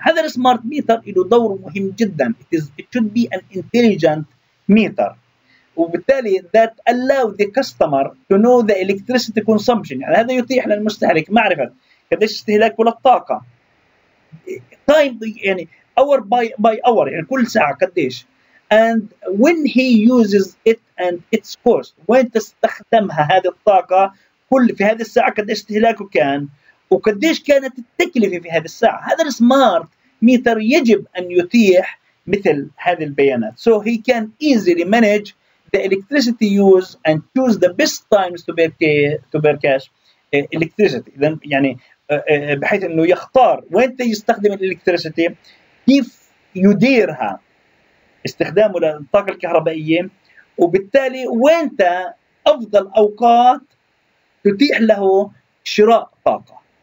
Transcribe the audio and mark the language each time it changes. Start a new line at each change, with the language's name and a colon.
Arabic: هذا السمارت ميتر له دور مهم جدا.
English: It should be an intelligent meter.
Arabic: وبالتالي
English: that allow the customer to know the electricity consumption.
Arabic: يعني هذا يتيح للمستهلك معرفة كدش استهلاكه للطاقة. Time يعني
English: hour by hour،
Arabic: يعني كل ساعة كدش.
English: And when he uses it and its cost.
Arabic: وين تستخدمها هذه الطاقة كل في هذه الساعة كدش استهلاكه كان. وكديش كانت التكلفة في هذه الساعة. هذا السمارت ميتر يجب أن يتيح مثل هذه البيانات.
English: So he can easily manage the electricity use and choose the best times to broadcast electricity.
Arabic: إذن يعني بحيث أنه يختار وين يستخدم الإلكتريسيتي، كيف يديرها استخدامه للطاقة الكهربائية، وبالتالي وين أفضل أوقات تتيح له شراء طاقة.